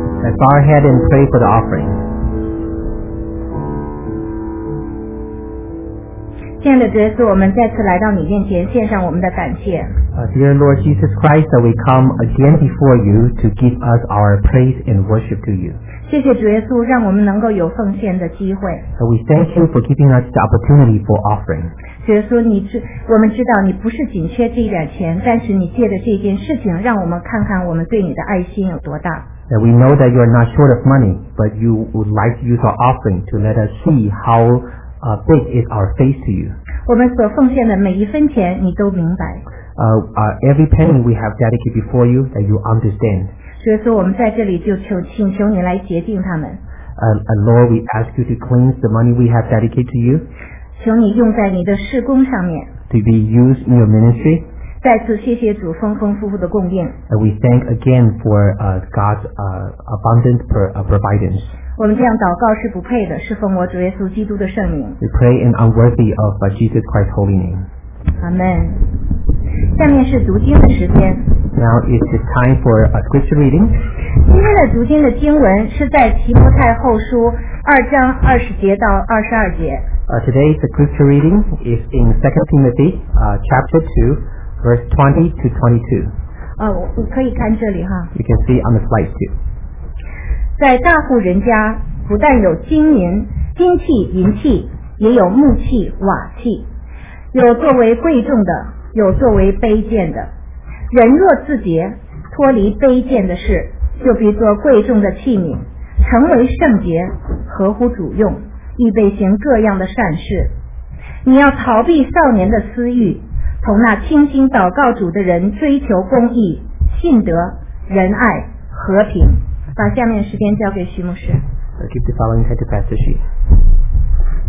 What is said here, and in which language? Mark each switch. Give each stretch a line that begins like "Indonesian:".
English: Let's bow our head and pray for the offering.
Chinese: 亲爱的主耶稣，我们再次来到你面前，献上我们的感谢。
English: Dear Lord Jesus Christ, we come again before you to give us our praise and worship to you.
Chinese: 谢谢主耶稣，让我们能够有奉献的机会。
English: So we thank you for giving us the opportunity for offering.
Chinese: 主耶稣，我们知道你不是紧缺这一点钱，但是你借着这件事情，让我们看看我们对你的爱心有多大。
English: That we know that you are not short of money, but you would like to use our offering to let us see how big is our faith to you.
Chinese: 我们所奉献的每一分钱，你都明白。
English: Every penny we have dedicated before you, that you understand.
Chinese: 所以说我们在这里就请求你来洁净他们。
English: And Lord, we ask you to cleanse the money we have dedicated to you.
Chinese: 请你用在你的事工上面。
English: To be used in your ministry.
Chinese: 再次谢谢主丰丰富富的供应。
English: And we thank again for God's abundant providence.
Chinese: 我们这样祷告是不配的，是奉我主耶稣基督的圣名。
English: We pray in unworthy of Jesus Christ's holy name.
Chinese: Amen. 下面是读经的时间。
English: Now is the time for a scripture reading.
Chinese: 今天的读经的经文是在提摩太后书二章二十节到二十二节。
English: Today's scripture reading is in 2 Timothy, chapter 2, verse 20 to 22.
Chinese: 我可以看这里哈。
English: You can see on the slide too.
Chinese: 在大户人家，不但有金银、金器、银器，也有木器、瓦器，有作为贵重的。有作为卑贱的人，若自洁脱离卑贱的事，就必做贵重的器皿，成为圣洁，合乎主用，预备行各样的善事。你要逃避少年的私欲，同那倾心祷告主的人追求公义、信德、仁爱、和平。把下面时间交给徐牧师。
English: I'll give the following title to Pastor Xu。